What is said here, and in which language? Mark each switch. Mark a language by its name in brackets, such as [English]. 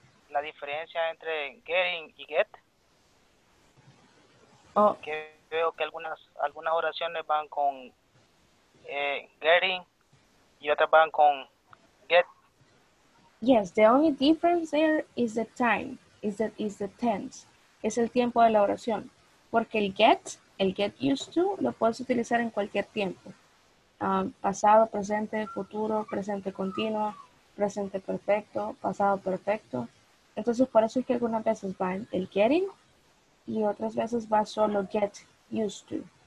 [Spanish] La diferencia entre getting y get. Oh. Que veo que algunas oraciones van con getting y otras van con get. [English] Yes, the only difference there is the time, is the tense. [Spanish] Es el tiempo de la oración. Porque el get used to, lo puedes utilizar en cualquier tiempo. Pasado, presente, futuro, presente continuo, presente perfecto, pasado perfecto. Entonces, por eso es que algunas veces va el getting y otras veces va solo get used to.